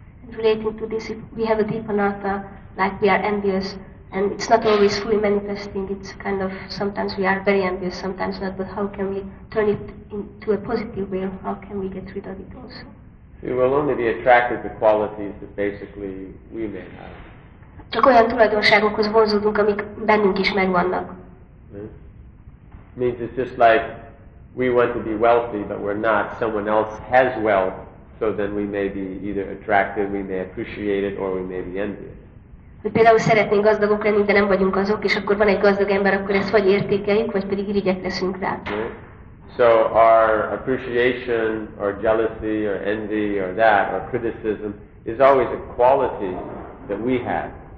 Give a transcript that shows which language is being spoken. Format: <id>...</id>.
<en>Relating to this, if we have a deep anatta, like we are envious, and it's not always fully manifesting, it's kind of, sometimes we are very envious, sometimes not, but how can we turn it into a positive way, how can we get rid of it also? We will only be attracted to qualities that basically we may have.</en> <hu>Csak olyan tulajdonságokhoz vonzódunk, amik bennünk is megvannak.</hu> <en>Means it's just like, we want to be wealthy, but we're not, someone else has wealth. So then we may be either attracted, we may appreciate it, or we may be envious.</en> <hu>De például szeretnénk gazdagok lenni, de nem vagyunk azok, és akkor van egy gazdag ember, akkor ezt vagy értékeljük, vagy pedig irigyek leszünk rá.</hu> <en>So our appreciation, or jealousy, or envy, or that, or criticism, is always a quality that we have.</en>